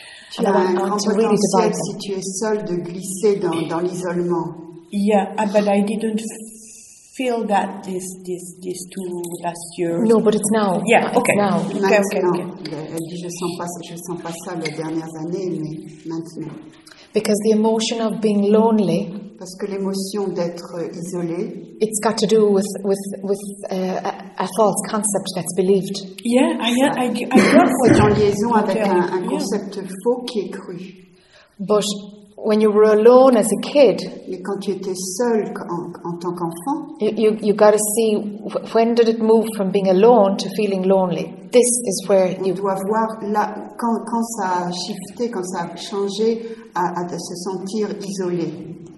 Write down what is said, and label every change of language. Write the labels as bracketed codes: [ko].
[fr] Tu as un grand potentiel si tu es seul de glisser dans l'isolement. [en] Yeah, but I didn't feel that this two last years. No, but it's now. Yeah, okay. It's now. [fr] Maintenant. Elle dit je sens pas ça les dernières années, mais maintenant. [en] Because the emotion of being lonely. [fr] Parce que l'émotion d'être isolé. [en] It's got to do with a false concept that's believed. Yeah, I love what you're saying. [fr] C'est en liaison avec un concept faux qui est cru. [en] But when you were alone as a kid. [fr] Mais quand tu étais seul en tant qu'enfant. [en] You got to see when did it move from being alone to feeling lonely. This is where [fr] on doit voir là quand ça a shifté, quand ça a changé à de se sentir isolé.